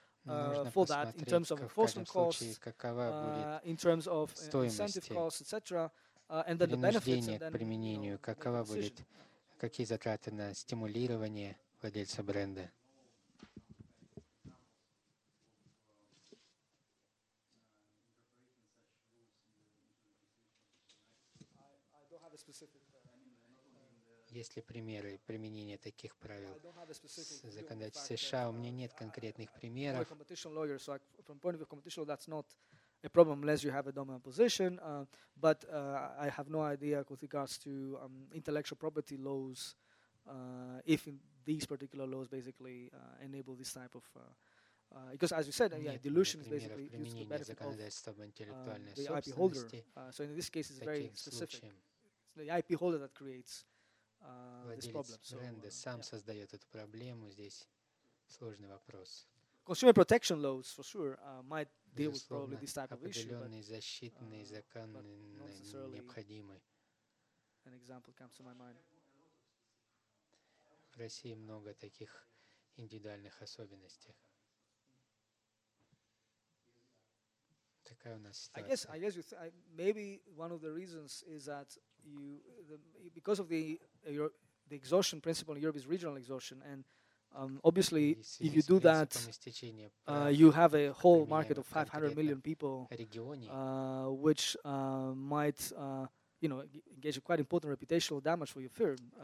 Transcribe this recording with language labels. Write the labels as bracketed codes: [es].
[en] for that in terms of enforcement costs, in terms of incentive costs, etc., and then the benefits, and then, you know, the decision. [ru] Какие затраты на стимулирование владельца бренда? Есть ли примеры применения таких правил в законодательстве США? У меня нет конкретных примеров. [en] I'm a competition lawyer, so from point of view of competition law, that's not a problem unless you have a dominant position, but I have no idea with regards to intellectual property laws, if in these particular laws basically enable this type of, because as you said, yeah, dilution is basically used to benefit of the IP holder. So in this case, it's very specific. It's the IP holder that creates this problem. So, consumer protection laws, for sure, might deal with probably this type of issue, but not necessarily an example comes to my mind. [ru] В России много таких индивидуальных особенностей. Такая у нас ситуация. [en] I guess maybe one of the reasons is that because of the exhaustion principle in Europe is regional exhaustion, and obviously, if you do that, you have a whole market of 500 million people, which might, you know, engage a quite important reputational damage for your firm.